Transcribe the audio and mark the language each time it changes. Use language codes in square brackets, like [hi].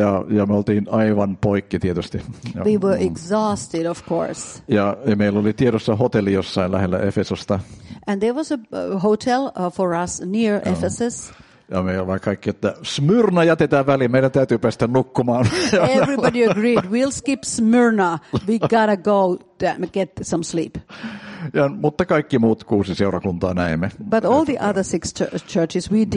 [fi] Ja me oltiin aivan poikki tietysti. [en] We were exhausted, of course. [fi] Ja meillä oli tiedossa hotelli jossain lähellä Efesosta. [en] And there was a hotel for us near Ephesus. [fi] Ja me olemme kaikki, että Smyrna jätetään väliin, meidän täytyy päästä nukkumaan. [en] Everybody agreed, we'll skip Smyrna, we gotta go get some sleep. [fi] Mutta kaikki muut kuusi seurakuntaa näemme. [en] But all the other six churches we did visit.